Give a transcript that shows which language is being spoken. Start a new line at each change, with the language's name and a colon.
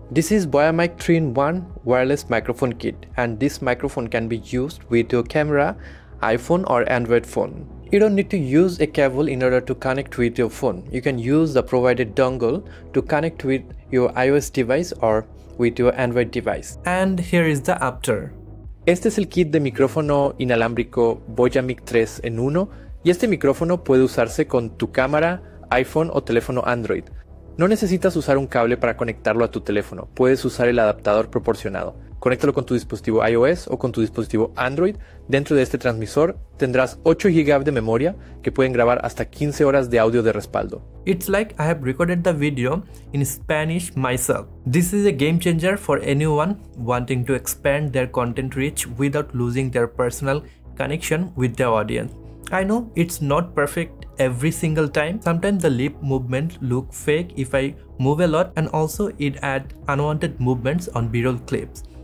English: This is Boyamic 3-in-1 wireless microphone kit, and this microphone can be used with your camera, iPhone or Android phone. You don't need to use a cable in order to connect with your phone. You can use the provided dongle to connect with your iOS device or with your Android device. And here is the after.
Spanish: Este es el kit de micrófono inalámbrico Boyamic 3-in-1, y este micrófono puede usarse con tu cámara, iPhone o teléfono Android. No necesitas usar un cable para conectarlo a tu teléfono. Puedes usar el adaptador proporcionado. Conéctalo con tu dispositivo iOS o con tu dispositivo Android. Dentro de este transmisor tendrás 8 GB de memoria que pueden grabar hasta 15 horas de audio de respaldo.
English: It's like I have recorded the video in Spanish myself. This is a game changer for anyone wanting to expand their content reach without losing their personal connection with their audience. I know it's not perfect every single time. Sometimes the lip movement look fake if I move a lot, and also it add unwanted movements on B-roll clips.